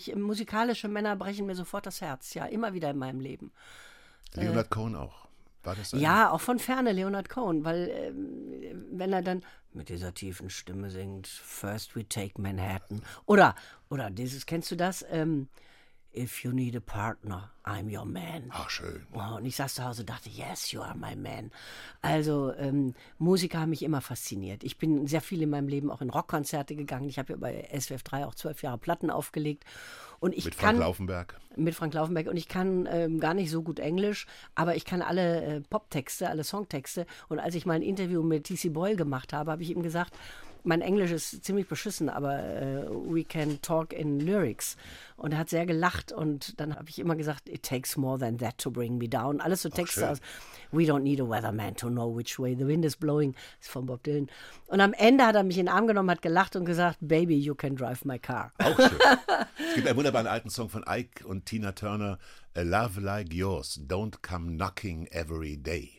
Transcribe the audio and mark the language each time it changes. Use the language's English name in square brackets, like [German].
[German] Musikalische Männer brechen mir sofort das Herz. Ja, immer wieder in meinem Leben. Leonard Cohen auch. War das ein? Ja, auch von ferne Leonard Cohen, weil wenn er dann mit dieser tiefen Stimme singt, [English] First we take Manhattan. [German] Oder dieses, kennst du das? [English] If you need a partner, I'm your man. [German] Ach, schön. Und ich saß zu Hause und dachte, [English] yes, you are my man. [German] Also Musiker haben mich immer fasziniert. Ich bin sehr viel in meinem Leben auch in Rockkonzerte gegangen. Ich habe ja bei SWF3 auch 12 Jahre Platten aufgelegt. Und ich Mit Frank kann Laufenberg. mit Frank Laufenberg und ich kann gar nicht so gut Englisch, aber ich kann alle Poptexte, alle Songtexte. Und als ich mal ein Interview mit T.C. Boyle gemacht habe, habe ich ihm gesagt, mein Englisch ist ziemlich beschissen, aber [English] we can talk in lyrics. [German] Und er hat sehr gelacht und dann habe ich immer gesagt, [English] it takes more than that to bring me down. [German] Alles so Ach, Texte aus, schön. [English] we don't need a weatherman to know which way the wind is blowing, [German] ist von Bob Dylan. Und am Ende hat er mich in den Arm genommen, hat gelacht und gesagt, [English] baby, you can drive my car. [German] Auch schön. Es gibt einen wunderbaren alten Song von Ike und Tina Turner, A Love Like Yours, Don't Come Knocking Every Day.